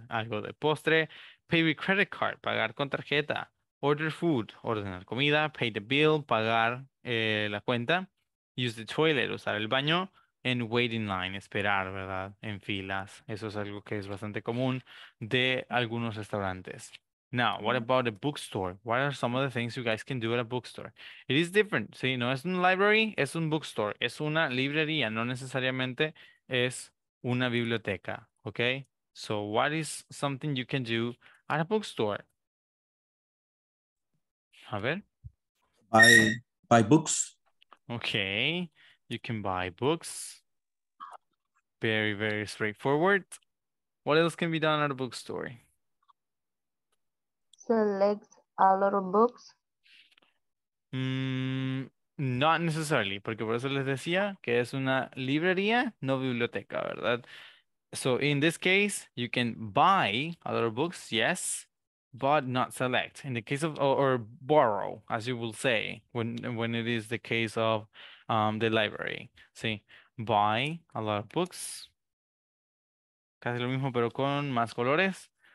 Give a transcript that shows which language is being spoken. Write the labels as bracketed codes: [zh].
[es] Algo de postre. [en] Pay with credit card, [es] pagar con tarjeta. [en] Order food, [es] ordenar comida. [en] Pay the bill, [es] pagar la cuenta. [en] Use the toilet, [es] usar el baño. [en] And wait in line, [es] esperar, ¿verdad? En filas. Eso es algo que es bastante común de algunos restaurantes. [en] Now, what about a bookstore? What are some of the things you guys can do at a bookstore? It is different, [es] ¿sí? No es un library, es un bookstore. Es una librería, no necesariamente es una biblioteca, ¿ok? [en] So, what is something you can do at a bookstore? [es] A ver. [en] Buy books. Okay. You can buy books. Very, very straightforward. What else can be done at a bookstore? Select a lot of books. Not necessarily. [es] Porque por eso les decía que es una librería, no biblioteca, ¿verdad? [en] So, in this case, you can buy other books, yes, but not select. In the case of, or borrow, as you will say, when it is the case of the library. See, buy a lot of books. [es] Casi lo mismo, pero con más colores.